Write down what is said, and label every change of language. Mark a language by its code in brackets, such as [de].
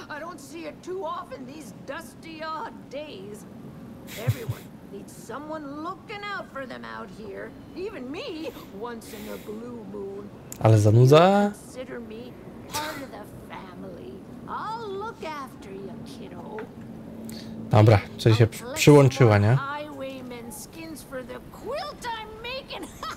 [en] I don't see it too often these dusty odd days. Everyone needs someone looking out for them out here. Even me, once in a blue moon. [pl] Ale zanudza. [en] Consider me part of the family. I'll look after you, kiddo. [pl] Dobra, czyli się przyłączyła, nie? [en] Highwayman skins for the quilt I'm making.